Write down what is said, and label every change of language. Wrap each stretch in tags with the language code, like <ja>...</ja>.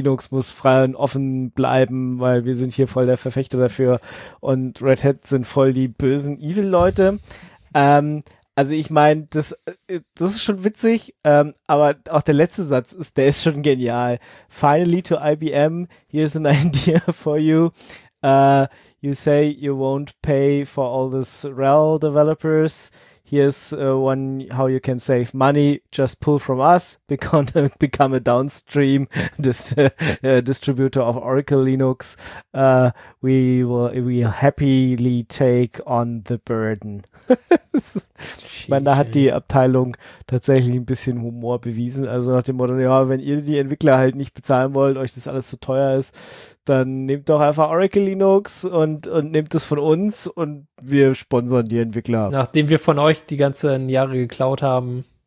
<de>Linux muss frei und offen bleiben, weil wir sind hier voll der Verfechter dafür und Red Hat sind voll die bösen Evil-Leute. Also ich meine, das ist schon witzig, aber auch der letzte Satz, der ist schon genial.</de> <en>Finally to IBM, here's an idea for you. You say you won't pay for all this RHEL developers. Here's one how you can save money. Just pull from us, become a downstream distributor of Oracle Linux. We'll happily take on the burden.</en> <de>Ich meine, da hat die Abteilung tatsächlich ein bisschen Humor bewiesen. Also nach dem Motto, ja, wenn ihr die Entwickler halt nicht bezahlen wollt, euch das alles zu teuer ist, dann nehmt doch einfach Oracle Linux und nehmt es von uns und wir sponsern die Entwickler. Nachdem wir von euch die ganzen Jahre geklaut haben.</de>